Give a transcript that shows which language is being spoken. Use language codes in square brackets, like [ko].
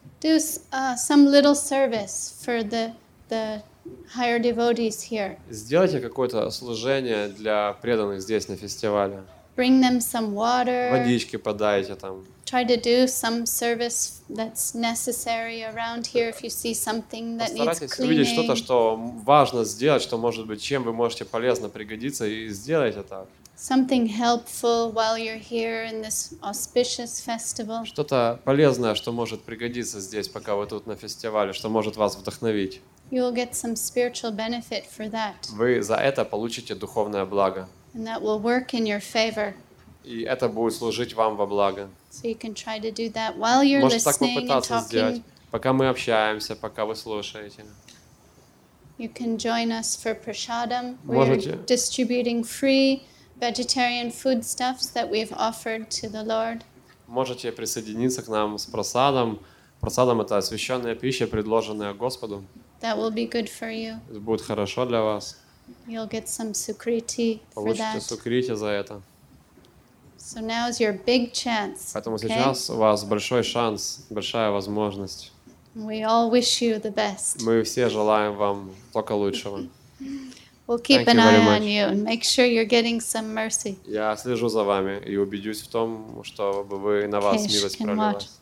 [en] Do some little service for the higher devotees here. [ru] Сделайте какое-то служение для преданных здесь на фестивале. [en] Bring them some water. [ru] Водички подайте там. [en] Try to do some service that's necessary around here if you see something that needs cleaning. [ru] Постарайтесь увидеть что-то, что важно сделать, что может быть чем вы можете полезно пригодиться и сделайте так. [en] Something helpful while you're here in this auspicious festival. [ru] Что-то полезное, что может пригодиться здесь, пока вы тут на фестивале, что может вас вдохновить. [en] You will get some spiritual benefit for that. [ru] Вы за это получите духовное благо. [en] And that will work in your favor. [ru] И это будет служить вам во благо. [en] So you can try to do that while you're [ru] Можете [en] listening and talking. [ru] Можете так попытаться сделать, пока мы общаемся, пока вы слушаете. [en] You can join us for prasadam. [ru] Можете... [en] We're distributing free vegetarian foodstuffs that we've offered to the Lord. [ru] Можете присоединиться к нам с просадом. Просадом это освященная пища, предложенная Господу. [en] That will be good for you. [ru] Это будет хорошо для вас. [en] You'll get some sukriti for [ru] Получите [en] that. [ru] Получите сукрити за это. [en] So now is your big chance. [ru] Поэтому сейчас у вас большой шанс, большая возможность. [en] We all wish you the best. [ru] Мы все желаем вам только лучшего. [en] We'll keep an eye on you and make sure you're getting some mercy. [ru] Я слежу за вами и убедюсь в том, что вы на вас милость пролила.